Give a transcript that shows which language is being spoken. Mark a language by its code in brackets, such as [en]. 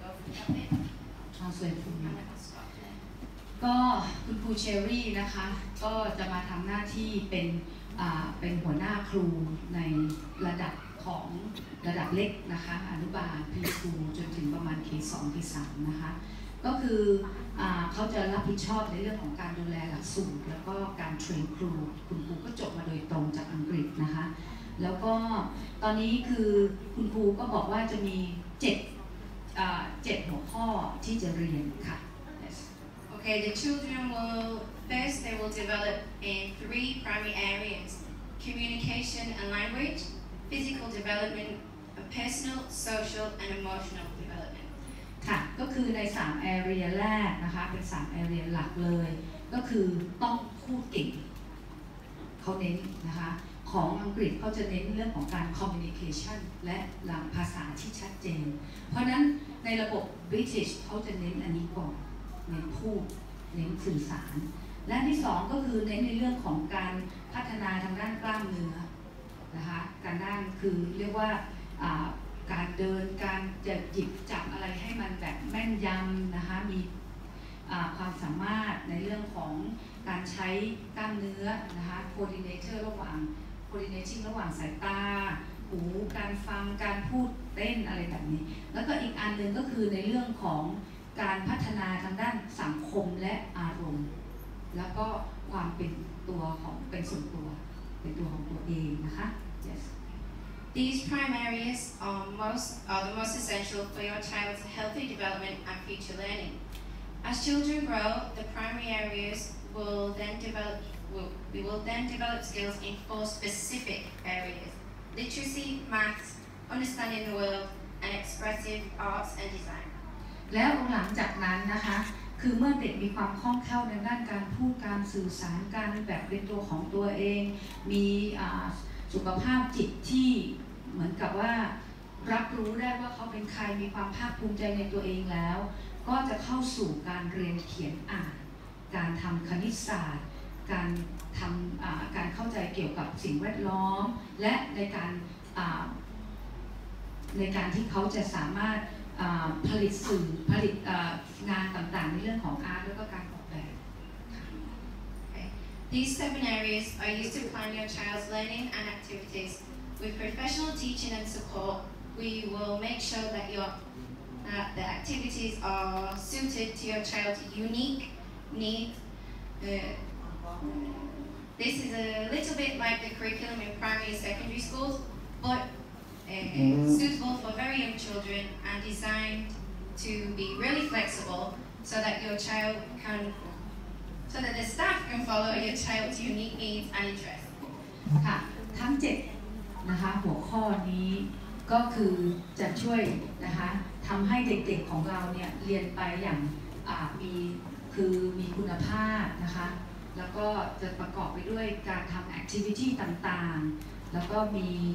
[en] Yeah, I'm going to go for that bit. [th] ก็คุณครูเชอรี่นะคะก็จะมาทำหน้าที่เป็นหัวหน้าครูในระดับของระดับเล็กนะคะอนุบาลพรีสคูลจนถึงประมาณ K2 K3 นะคะก็คือเขาจะรับผิดชอบในเรื่องของการดูแลหลักสูตรแล้วก็การเทรนครูคุณครูก็จบมาโดยตรงจากอังกฤษนะคะแล้วก็ตอนนี้คือคุณครูก็บอกว่าจะมี7หัวข้อที่จะเรียนค่ะ [en] Okay, the children will First, they will develop in three primary areas: communication and language, physical development, personal, social, and emotional development. [th] ค่ะก็คือใน3 area แรกนะคะเป็น3 area หลักเลยก็คือต้องพูดเก่งเขาเน้นนะคะของอังกฤษเขาจะเน้นเรื่องของการ communication และหลักภาษาที่ชัดเจนเพราะนั้นในระบบ British เขาจะเน้นอันนี้ก่อนเน้นพูดเน้นสื่อสารและที่สองก็คือเน้นในเรื่องของการพัฒนาทางด้านกล้ามเนื้อนะคะการด้านคือเรียกว่า การเดินการจะหยิบจับอะไรให้มันแบบแม่นยำนะคะมีความสามารถในเรื่องของการใช้กล้ามเนื้อนะคะ coordinator ระหว่างcoordinating ระหว่างสายตาหูการฟังการพูดเต้นอะไรแบบนี้แล้วก็อีกอันนึงก็คือในเรื่องของการพัฒนาทางด้านสังคมและอารมณ์แล้วก็ความเป็นตัวของเป็นส่วนตัวเป็นตัวของตัวเองนะคะ yes [en] these primaries are the most essential for your child's healthy development and future learning as children grow the primary areas will then developWe will then develop skills in four specific areas: literacy, maths, understanding the world, and expressive arts and design. [th] แล้วหลังจากนั้นนะคะคือเมื่อเด็กมีความคล่องแคล่วในด้านการพูดการสื่อสารการแบบเป็นตัวของตัวเองมี สุขภาพจิตที่เหมือนกับว่ารับรู้ได้ว่าเขาเป็นใครมีความภาคภูมิใจในตัวเองแล้วก็จะเข้าสู่การเรียนเขียนอ่านการทำคณิตศาสตร์การทำการเข้าใจเกี่ยวกับสิ่งแวดล้อมและในการในการที่เขาจะสามารถผลิตสื่อผลิตงานต่างๆในเรื่องของอาร์ตแล้วก็การออกแบบ [en] okay. These seven areas are used to plan your child's learning and activities with professional teaching and support. We will make sure that the activities are suited to your child's unique needs. This is a little bit like the curriculum in primary and secondary schools, but suitable for very young children and designed to be really flexible so that your child can, so that the staff can follow your child's unique needs and interests. [th] ค่ะทั้ง7นะคะหัวข้อนี้ก็คือจะช่วยนะคะทำให้เด็กๆของเราเนี่ยเรียนไปอย่างมีคือมีคุณภาพนะคะแล้วก็จะประกอบไปด้วยการทำแอคทิวิตี้ต่างๆแล้วก็มี